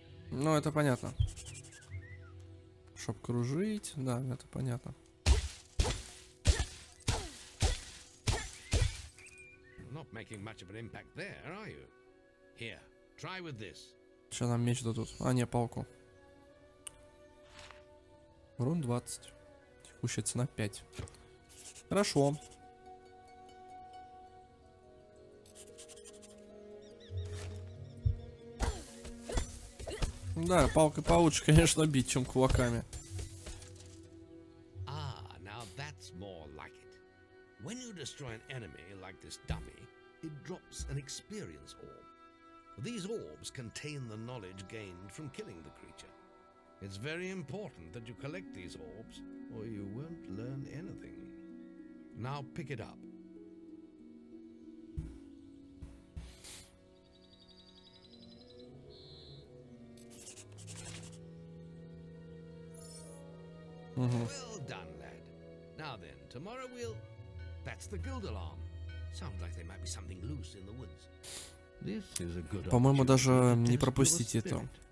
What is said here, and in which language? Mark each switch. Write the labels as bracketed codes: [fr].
[ru] Ну, это понятно. Чтоб кружить, да, это понятно. [en] Not making much of an impact there, are you? Here, try with this. [ru] Что нам меч дадут? А, не, палку. Рун 20. Текущая цена 5. Хорошо. Да, палкой получше, конечно, бить, чем кулаками. [en] Ah, now that's more like it. When you destroy an enemy like this dummy, it drops an experience orb. These orbs contain the knowledge gained from killing the creature. It's very important that you collect these orbs, or you won't learn anything. Now pick it up. Well done, lad. Now then, tomorrow we'll... That's the guild alarm. Sounds like there might be something loose in the woods. [ru] По-моему, даже не пропустить это.